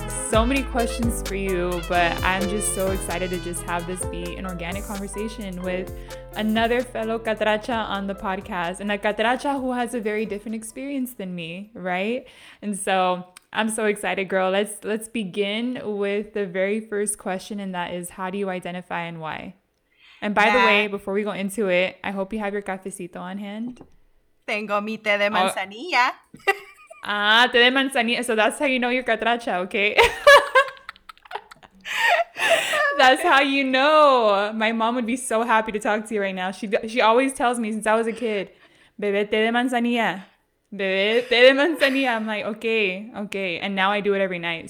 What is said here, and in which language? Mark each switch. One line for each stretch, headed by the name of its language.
English: So many questions for you, but I'm just so excited to just have this be an organic conversation with another fellow catracha on the podcast, and a catracha who has a very different experience than me, right? And so I'm so excited, girl. Let's begin with the very first question, and that is, how do you identify and why? And by the way, before we go into it, I hope you have your cafecito on hand.
Spanish: Tengo mi té de manzanilla. Ah, té de manzanilla.
English: So that's how you know you're catracha, okay? That's how you know. My mom would be so happy to talk to you right now. She always tells me since I was a kid,
Spanish: bebe té de manzanilla. Bebe té de manzanilla.
English: I'm like, okay. And now I do it every night.